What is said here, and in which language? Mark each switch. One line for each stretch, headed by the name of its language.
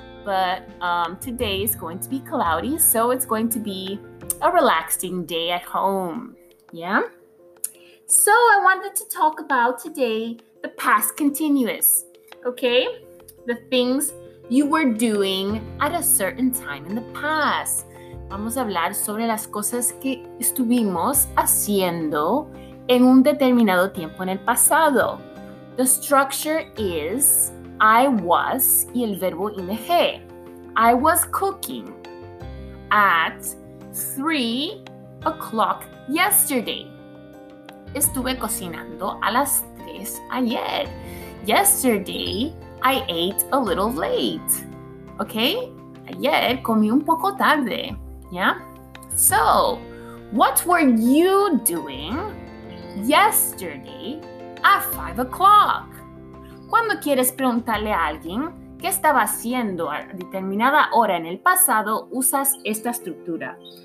English: But today is going to be cloudy. So it's going to be a relaxing day at home. Yeah? So I wanted to talk about today the past continuous. Okay, the things you were doing at a certain time in the past.
Spanish: Vamos a hablar sobre las cosas que estuvimos haciendo en un determinado tiempo en el pasado.
English: The structure is I was
Spanish: y el verbo
English: ing. I was cooking at 3 o'clock yesterday.
Spanish: Estuve cocinando a las 3 ayer.
English: Yesterday, I ate a little late. Okay?
Spanish: Ayer comí un poco tarde. Yeah?
English: So, what were you doing yesterday at 5 o'clock?
Spanish: Cuando quieres preguntarle a alguien qué estaba haciendo a determinada hora en el pasado, usas esta estructura.